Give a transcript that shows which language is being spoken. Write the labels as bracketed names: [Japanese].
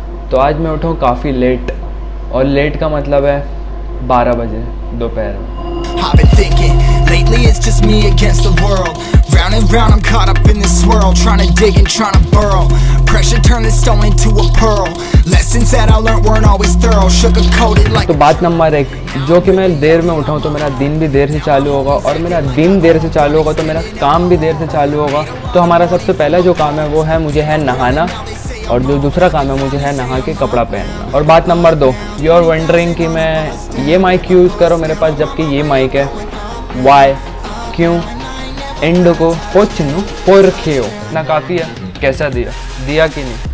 [Hindi] तो आज मैं उठाऊँ काफी लेट, और लेट का मतलब है 12 बजे दोपहर में। [English] I've been thinking lately it's just me against the world. Round and round I'm caught up in this swirl, trying to dig and trying to burrow. Pressure turned this stone into a pearl. Lessons that I learned weren't always thorough. Sugarcoated like. [Hindi] तो बात number एक, जो कि मैं देर में उठाऊं तो मेरा दिन भी देर से चालू होगा, और मेरा दिन देर से चालू होगा तो मेरा काम भी देर से चालू होगा। तो हमारा सबसे पहला जो काम है वो है मुझे है नहाना, और जो दूसरा काम है मुझे है नहा के कपड़ा पहनना। और बात नंबर दो, [English] you are wondering [Hindi] कि मैं ये माइक क्यों यूज़ करूँ मेरे पास जबकि ये माइक है, वाई क्यों एंड को पोचनू पोर खेओ ना काफ़ी है, कैसा दिया दिया कि नहीं।